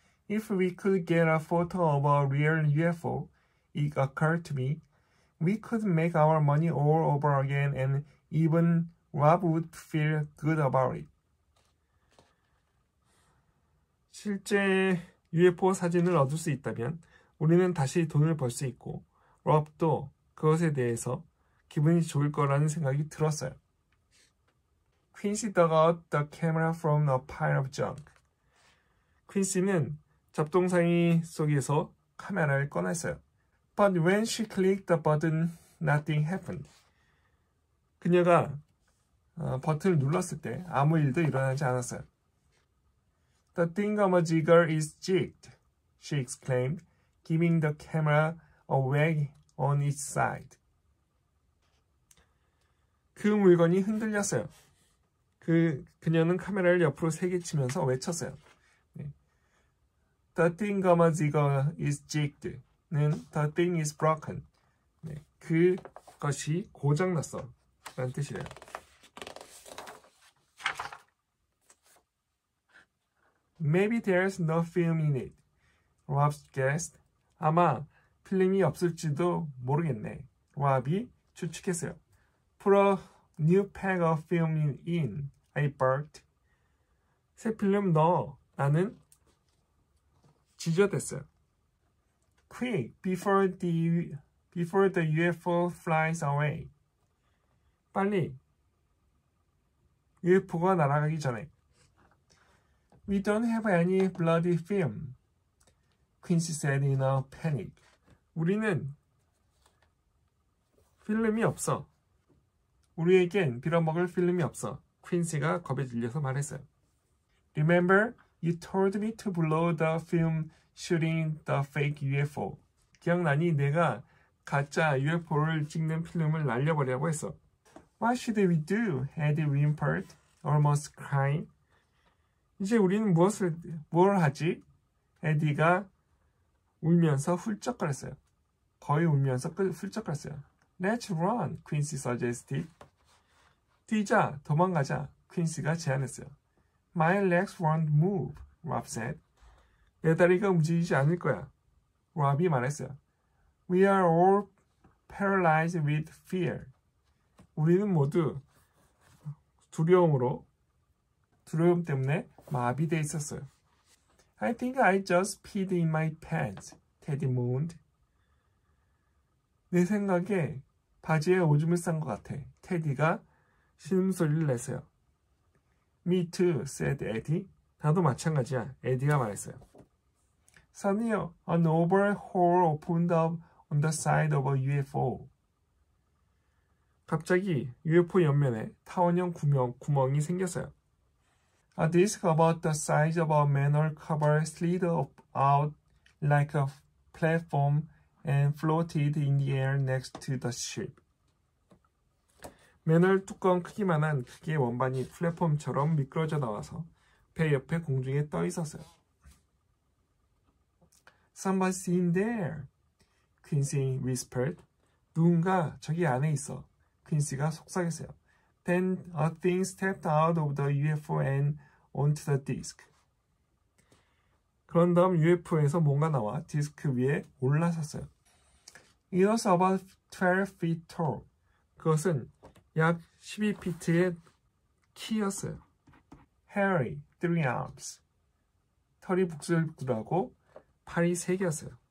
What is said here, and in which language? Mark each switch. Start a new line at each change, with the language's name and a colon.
English: If we could get a photo of a real UFO, it occurred to me, we could make our money all over again and even Rob would feel good about it.
Korean: 실제 UFO 사진을 얻을 수 있다면 우리는 다시 돈을 벌 수 있고 Rob도 그것에 대해서 기분이 좋을 거라는 생각이 들었어요.
English: Quincy dug out the camera from a pile of junk.
Korean: Quincy는 잡동사니 속에서 카메라를 꺼냈어요.
English: But when she clicked the button, nothing happened.
Korean: 그녀가 버튼을 눌렀을 때 아무 일도 일어나지 않았어요.
English: The thingamajigger is jigged, she exclaimed, giving the camera a wag on its side.
Korean: 그 물건이 흔들렸어요. 그녀는 카메라를 옆으로 세게치면서 외쳤어요. 네.
English: The thingamajigger is jigged는 the thing is broken.
Korean: 네. 그것이 고장났어 라는 뜻이래요.
English: Maybe there's no film in it. Rob's guessed.
Korean: 아마 필름이 없을지도 모르겠네. Rob이 추측했어요.
English: Put a new pack of film in. I barked.
Korean: 새 필름 넣어. 나는 지저댔어요.
English: Quick, before the UFO flies away.
Korean: 빨리 UFO가 날아가기 전에.
English: We don't have any bloody film. Quincy said in a panic.
Korean: 우리는 필름이 없어. 우리에겐 빌어먹을 필름이 없어. Quincy가 겁에 질려서 말했어요.
English: Remember, you told me to blow the film shooting the fake UFO.
Korean: 기억나니 내가 가짜 UFO를 찍는 필름을 날려버리라고 했어.
English: What should we do? Eddie whimpered, almost crying.
Korean: 이제 우리는 뭘 하지? 에디가 울면서 훌쩍거렸어요. 거의 울면서 훌쩍거렸어요.
English: Let's run, Quincy suggested.
Korean: 뛰자, 도망가자, Quincy가 제안했어요.
English: My legs won't move, Rob said.
Korean: 내 다리가 움직이지 않을 거야, Rob이 말했어요.
English: We are all paralyzed with fear.
Korean: 우리는 모두 두려움 때문에 마비되어 있었어요.
English: I think I just peed in my pants, Teddy moaned.
Korean: 내 생각에 바지에 오줌을 싼 것 같아, 테디가 신음소리를 냈어요.
English: Me too, said Eddie.
Korean: 나도 마찬가지야, 에디가 말했어요.
English: Suddenly, an oval hole opened up on the side of a UFO.
Korean: 갑자기 UFO 옆면에 타원형 구멍이 생겼어요.
English: A disc about the size of a manhole cover slid out like a platform and floated in the air next to the ship.
Korean: 맨홀 뚜껑 크기만한 크기의 원반이 플랫폼처럼 미끄러져 나와서 배 옆에 공중에 떠 있었어요.
English: Somebody's in there, Quincy whispered.
Korean: 누군가 저기 안에 있어. Quincy가 속삭였어요.
English: Then a thing stepped out of the UFO and onto the disc.
Korean: 그런 다음 UFO에서 뭔가 나와 디스크 위에 올라섰어요.
English: It was about 12 feet tall.
Korean: 그것은 약 12피트의 키였어요.
English: Hairy, three arms.
Korean: 털이 북슬북슬하고 팔이 세 개였어요.